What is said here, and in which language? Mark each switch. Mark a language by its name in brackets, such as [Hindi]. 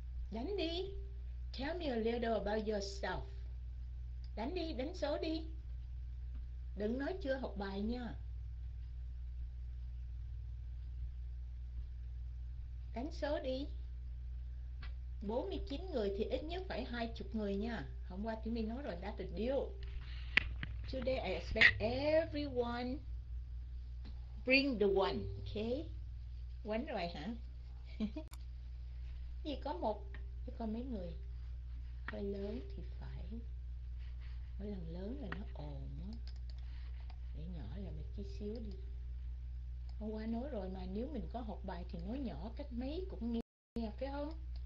[Vietnamese] Đánh đi. [English] Tell me a little about yourself. [Vietnamese] Đánh đi, đánh số đi. Đừng nói chưa học bài nha. Đánh số đi. 49 người thì ít nhất phải 20 người nha. Hôm qua chúng mình nói rồi, [English] that's a deal. Today I expect everyone bring the one, okay? [Vietnamese] Quánh rồi hả? Gì có một chứ có mấy người hơi lớn thì phải, mỗi lần lớn là nó ồn á, để nhỏ là mình chi xíu đi. Hôm qua nói rồi mà, nếu mình có học bài thì nói nhỏ cách mấy cũng nghe, nghe phải không?